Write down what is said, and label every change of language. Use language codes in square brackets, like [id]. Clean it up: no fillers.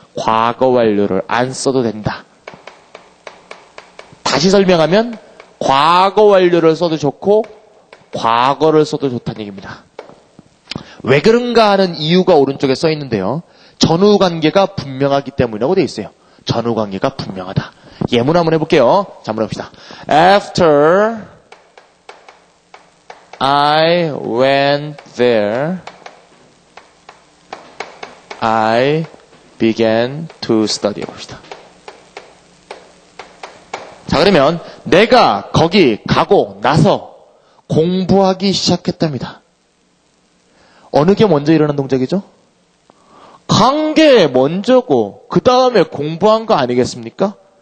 [ko] 과거 완료를 안 써도 된다. 다시 설명하면 과거 완료를 써도 좋고 과거를 써도 좋다는 얘기입니다. 왜 그런가 하는 이유가 오른쪽에 써 있는데요. 전후 관계가 분명하기 때문이라고 되어 있어요. 전후 관계가 분명하다. 예문 한번 해볼게요. 자, 한번 해봅시다. [en] After I went there, I began to study. [ko] 해봅시다. 자, 그러면 내가 거기 가고 나서 공부하기 시작했답니다. 어느 게 먼저 일어난 동작이죠? 간 게 먼저고 그 다음에 공부한 거 아니겠습니까?